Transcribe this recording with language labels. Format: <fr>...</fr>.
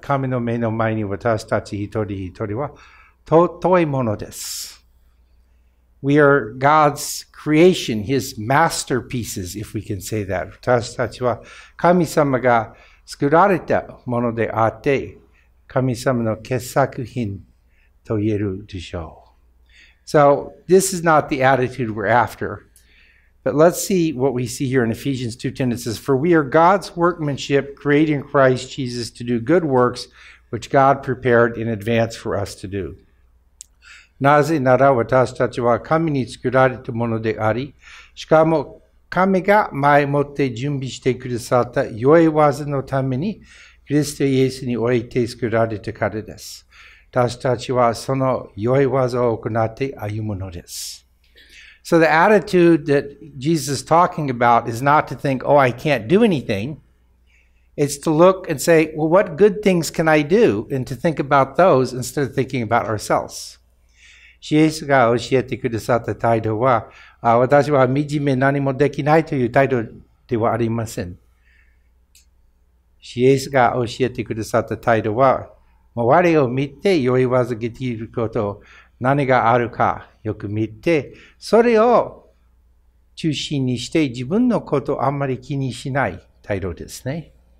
<ja>神の目の前に私たち一人一人は、尊いものです。</ja> <en>We are God's creation, His masterpieces, if we can say that.</en> <ja>私たちは神様が作られたものであって、神様の傑作品と言えるでしょう。</ja> <en>So, this is not the attitude we're after. But let's see what we see here in Ephesians 2:10. It says, For we are God's workmanship, created in Christ Jesus to do good works, which God prepared in advance for us to do.</en> <ja>なぜなら私たちは神に作られたものであり、しかも神が前もって準備してくださった良い技のために、キリストイエスにおいて作られたからです。私たちはその良い技を行って歩むのです。</ja> <en>So the attitude that Jesus is talking about is not to think, oh, I can't do anything. It's to look and say, well, what good things can I do? And to think about those instead of thinking about ourselves.</en> <ja>イエスが教えてくださった態度は、私は惨め何もできないという態度ではありません。イエスが教えてくださった態度は、周りを見て良い技ができること、何があるかよく見て、それを中心にして自分のことをあんまり気にしない態度ですね。</ja>